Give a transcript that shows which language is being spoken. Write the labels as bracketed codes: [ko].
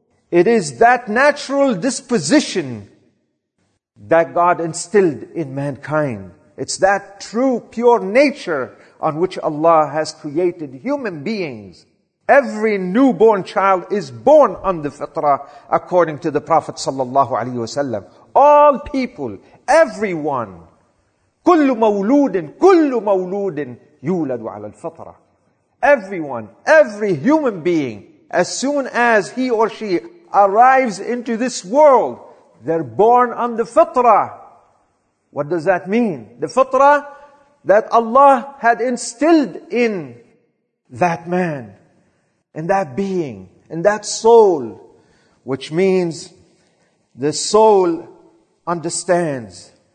[en] It is that natural disposition that God instilled in mankind. It's that true, pure nature on which Allah has created human beings. Every newborn child is born on the fitrah, according to the Prophet sallallahu alaihi wasallam. All people, everyone, [ar] كُلُّ مَوْلُودٍ يُولَدُ عَلَى الْفَطْرَةِ. [en] Everyone, every human being, as soon as he or she arrives into this world, they're born on the fitrah. What does that mean? The fitrah that Allah had instilled in that man, in that being, in that soul, which means the soul understands.